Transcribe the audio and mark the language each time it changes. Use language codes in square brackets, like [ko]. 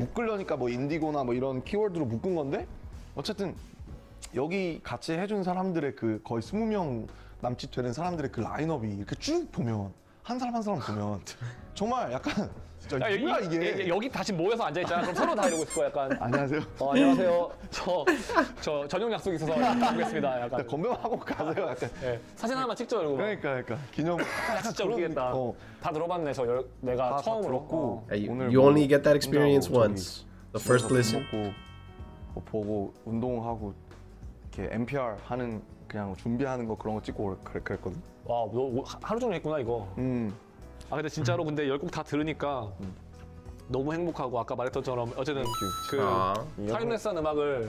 [ko] 묶으려니까 뭐 인디고나 뭐 이런 키워드로 묶은 건데 어쨌든 여기 같이 해준 사람들의 그 거의 20명 남짓 되는 사람들의 그 라인업이 이렇게 쭉 보면 한 사람 한 사람 보면 정말 약간 진짜 야, 누구야 이게? 여기 다시 모여서 앉아 있잖아. 그럼 서로 다 이러고 있을 거야 약간. 안녕하세요. 안녕하세요. 저 저녁 약속 있어서 오겠습니다. 약간. 건배하고 가세요. 약간. 네, 사진 하나만 찍죠, 여러분. 그러니까 약간 기념. 진짜 웃기겠다. 어. 다 들어봤네. 저 내가 다 처음 들었고 [en] 오늘 you 뭐, only get that experience 혼자, once. The first listen. [ko] 뭐 보고 운동하고 이렇게 NPR 하는 그냥 준비하는 거 그런 거 찍고 그랬거든. 와, 너 하루 종일 했구나 이거. 아 근데 진짜로 근데 10곡 다 들으니까 너무 행복하고 아까 말했던처럼 어쨌든 그 타임레스한 음악을